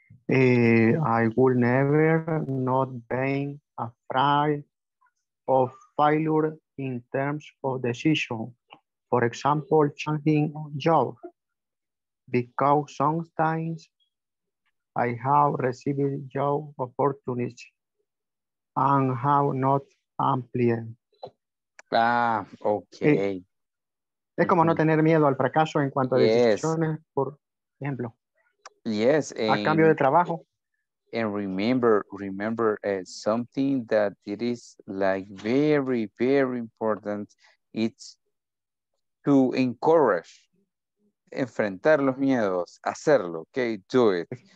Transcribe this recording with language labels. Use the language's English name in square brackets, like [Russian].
[English] I will never not being afraid of failure in terms of decision. For example, changing job. because sometimes I have received job opportunities and have not amplied. Ah, okay. [Spanish] Es como no tener miedo al fracaso en cuanto a decisiones, por ejemplo. [English] Yes. [Spanish] A cambio de trabajo. [English] And remember something that it is like very, very important. It's to encourage, [Spanish] enfrentar los miedos, hacerlo, [English] okay, do it.